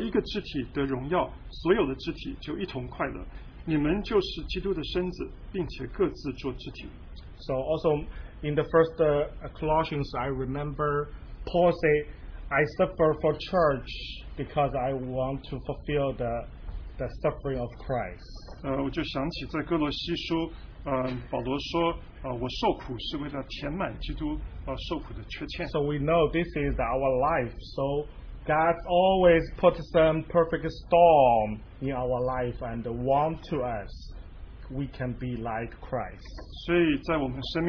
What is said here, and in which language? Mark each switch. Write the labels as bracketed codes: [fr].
[zh] 若一个肢体受苦，所有的肢体就一同受苦；若一个肢体得荣耀，所有的肢体就一同快乐。你们就是基督的身子，并且各自做肢体。 [en] So also in the first Colossians, I remember Paul say, "I suffer for church because I want to fulfill the suffering of Christ." [zh] 我就想起在哥罗西书，保罗说，我受苦是为了填满基督受苦的缺欠。 [en] So we know this is our life. So God always puts some perfect storm in our life and want to us we can be like Christ.